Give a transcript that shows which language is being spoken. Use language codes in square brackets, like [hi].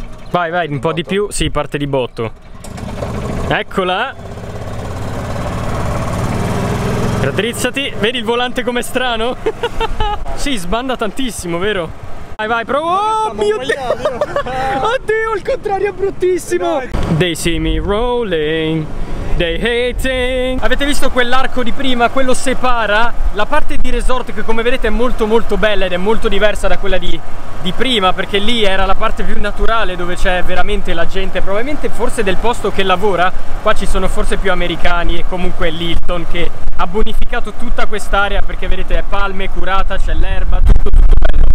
[it] Vai, vai, un po' di più, sì, parte di botto. Eccola! Raddrizzati, vedi il volante com'è strano? Sì, sbanda tantissimo, vero? Vai, vai, provo. Oh mio Dio! Oddio, il contrario è bruttissimo! [en] They see me rolling, they hating. [it] Avete visto quell'arco di prima? Quello separa la parte di resort, che come vedete è molto molto bella ed è molto diversa da quella di prima, perché lì era la parte più naturale dove c'è veramente la gente, probabilmente forse del posto che lavora. Qua ci sono forse più americani e comunque l'Hilton che ha bonificato tutta quest'area, perché vedete è palme curata, c'è l'erba, tutto tutto bello.